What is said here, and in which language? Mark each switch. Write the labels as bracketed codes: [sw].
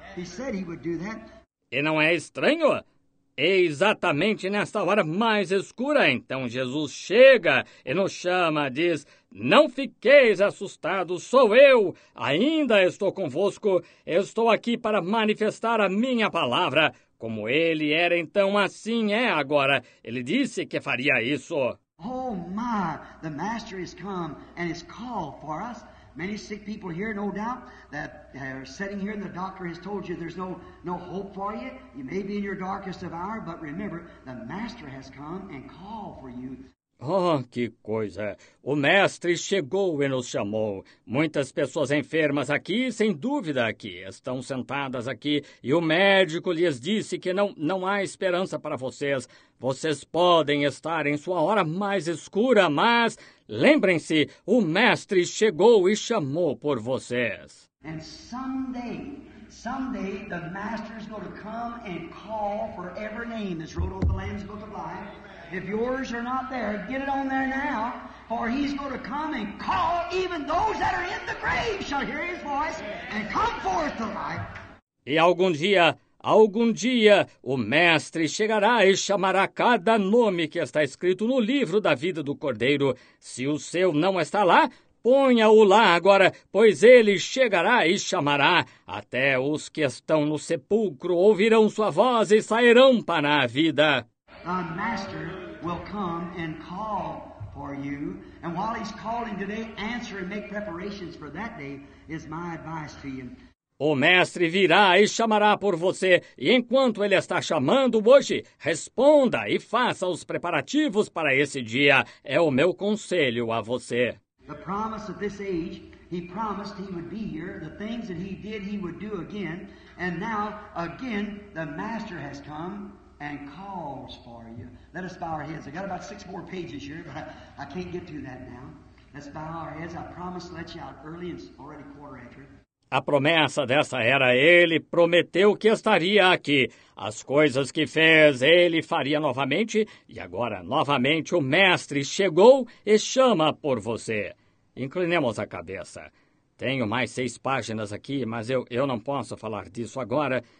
[en] He said he would do that. [pt] E não é estranho? Exatamente nesta hora mais escura, então Jesus chega e nos chama, diz, não fiqueis assustados, sou eu, ainda estou convosco, estou aqui para manifestar a minha palavra. Como ele era então, assim é agora, ele disse que faria isso. [en] Oh my, the master has come and has called for us. Many sick people here, no doubt, that are sitting here and the doctor has told you there's no hope for you. You may be in your darkest of hour, but remember, the master has come and called for you. [pt] Oh, que coisa! O mestre chegou e nos chamou. Muitas pessoas enfermas aqui, sem dúvida aqui, estão sentadas aqui e o médico lhes disse que não há esperança para vocês. Vocês podem estar em sua hora mais escura, mas lembrem-se, o mestre chegou e chamou por vocês. [en] And someday the master's going to come and call for every name that's wrote on the Lamb's Book of Life. If yours are not there, get it on there now, for he's going to come and call even those that are in the grave shall hear his voice and come forth to life. [pt] E algum dia, o mestre chegará e chamará cada nome que está escrito no livro da vida do Cordeiro. Se o seu não está lá, ponha-o lá agora, pois ele chegará e chamará. Até os que estão no sepulcro ouvirão sua voz e sairão para a vida. [en] The master will come and call for you. And while he's calling today, answer and make preparations for that day is my advice to you. [pt] O mestre virá e chamará por você. E enquanto ele está chamando hoje, responda e faça os preparativos para esse dia. É o meu conselho a você. [en] The promise of this age, he promised he would be here. The things that he did, he would do again. And now, again, the master has come and calls for you. Let us bow our heads. I got about 6 more pages here, but I can't get through that now. Let's bow our heads. I promised to let you out early. It's already 1/4 after. [pt] A promessa dessa era, ele prometeu que estaria aqui. As coisas que fez, ele faria novamente. E agora, novamente, o mestre chegou e chama por você. Inclinemos a cabeça. Tenho mais 6 páginas aqui, mas eu não posso falar disso agora.